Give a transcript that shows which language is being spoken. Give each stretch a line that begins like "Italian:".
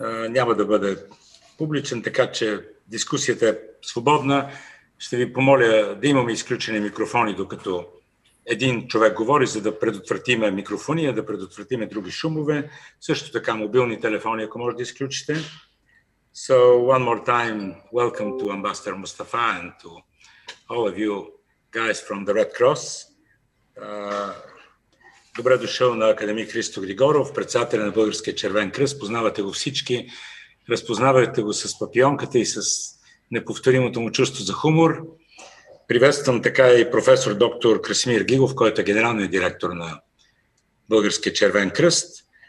Bulgarian: Няма да бъде публичен, така че дискусията е свободна. Ще ви помоля да имаме изключени микрофони, докато един човек говори, за да предотвратиме микрофония, да предотвратиме други шумове. Също така мобилни телефони, ако може да изключите.
English: So, one more time, welcome to Ambassador Mustafa and to all of you guys from the Red Cross.
Bulgarian: Добре дошъл на академик Христо Григоров, председател на Българския червен кръст. Познавате го всички. Разпознавате го с папионката и с неповторимото му чувство за хумор. Приветствам така и професор доктор Красимир Гигов, който е генералният директор на Българския червен кръст.